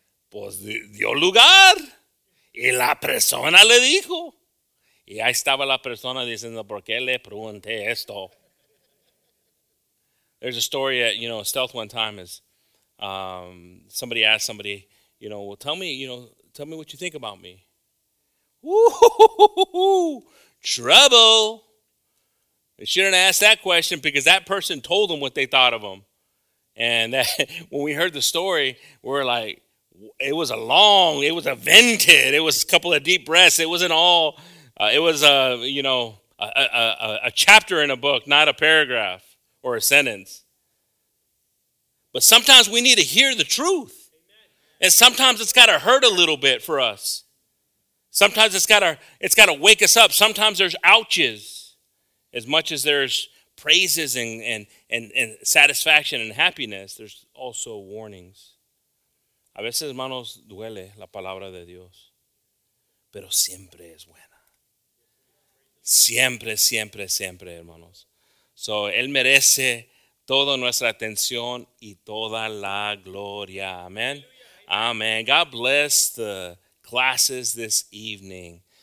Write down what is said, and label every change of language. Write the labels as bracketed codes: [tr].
[es] Pues dio lugar y la persona le dijo. Y ahí estaba la persona diciendo, ¿por qué le pregunté esto? [en] There's a story at, you know, Stealth one time is somebody asked somebody, you know, well, tell me what you think about me. Woo-hoo-hoo-hoo-hoo-hoo! Trouble. They shouldn't ask that question because that person told them what they thought of them. And that, when we heard the story, we're like, it was a long, it was a vented, it was a couple of deep breaths, it wasn't all... It was a chapter in a book, not a paragraph or a sentence. But sometimes we need to hear the truth. Amen. And sometimes it's got to hurt a little bit for us. Sometimes it's got to wake us up. Sometimes there's ouches as much as there's praises and satisfaction and happiness, there's also warnings. [es] A veces, hermanos, duele la palabra de Dios, pero siempre es buena. Siempre, siempre, siempre, hermanos. So, Él merece toda nuestra atención y toda la gloria. [en] Amen. Amen. God bless the classes this evening.